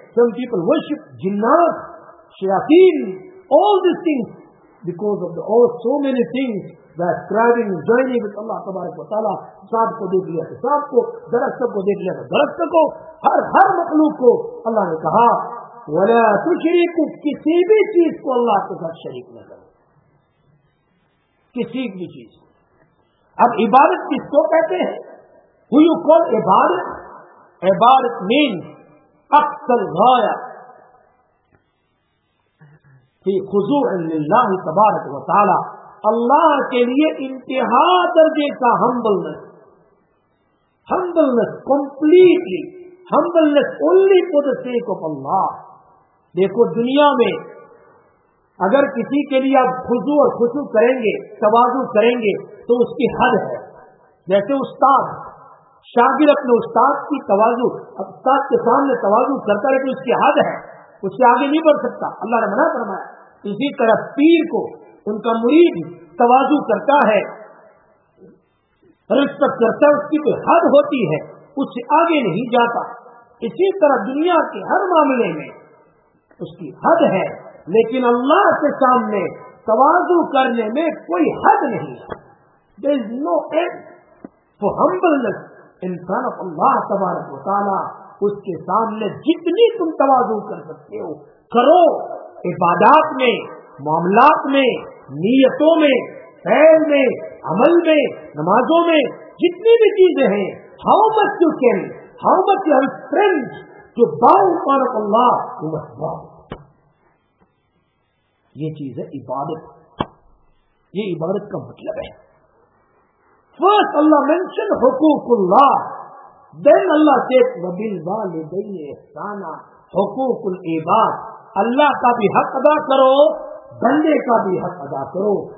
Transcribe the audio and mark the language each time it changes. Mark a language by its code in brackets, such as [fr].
[en] Some people worship jinnat, shayateen, all these things because of the all so many things that striving and joining with Allah تبارک و تعالی. [ur] سب کو دیکھ لیا تو سب کو, درخت کو دیکھ لیا تو درخت کو, ہر مخلوق کو اللہ نے کہا [ar] وَلَا تُشْرِكُوا, [ur] کسی بھی چیز کو اللہ کے ساتھ شریک نہ کرو, کسی بھی چیز. اب عبادت کس کو کہتے ہیں؟ [en] Who you call [ur] عبادت؟ عبادت [en] means [ar] اقصى الغاية فی خضوع للہ تبارک و تعالی, [ur] اللہ کے لیے انتہا درجے کا humbleness. [en] Humbleness completely, humbleness only for the sake of Allah. [ur] دیکھو دنیا میں اگر کسی کے لیے آپ خضوع اور خشوع کریں گے, تواضع کریں گے, تو اس کی حد ہے. جیسے استاد شاگرد اپنے استاد کی تواضع, استاد کے سامنے تواضع کرتا رہے تو اس کی حد ہے, اس سے آگے نہیں بڑھ سکتا, اللہ نے منع فرمایا. اسی طرح پیر کو ان کا مرید تواضع کرتا ہے, رسپیکٹ کرتا ہے, اس کی کوئی حد ہوتی ہے, اس سے آگے نہیں جاتا. اسی طرح دنیا کے ہر معاملے میں اس کی حد ہے, لیکن اللہ کے سامنے تواضع کرنے میں کوئی حد نہیں ہے. [en] There is no end for humbleness in front of Allah تبارک و تعالی. [ur] اس کے سامنے جتنی تم تواضع کر سکتے ہو کرو, عبادات میں, معاملات میں, نیتوں میں, فعل میں, عمل میں, نمازوں میں, جتنی بھی چیزیں ہیں. [en] How much you can, how much you have strength to bow in front of Allah, you must bow. [ur] یہ چیز ہے عبادت, یہ عبادت کا مطلب ہے. [en] first Allah mention [ur] حقوق اللہ, دین اللہ سے [ar] وَبِالْوَالِدَيْنِ إِحْسَانًا, [ur] حقوق العباد, اللہ کا بھی حق ادا کرو, بندے کا بھی حق ادا کرو.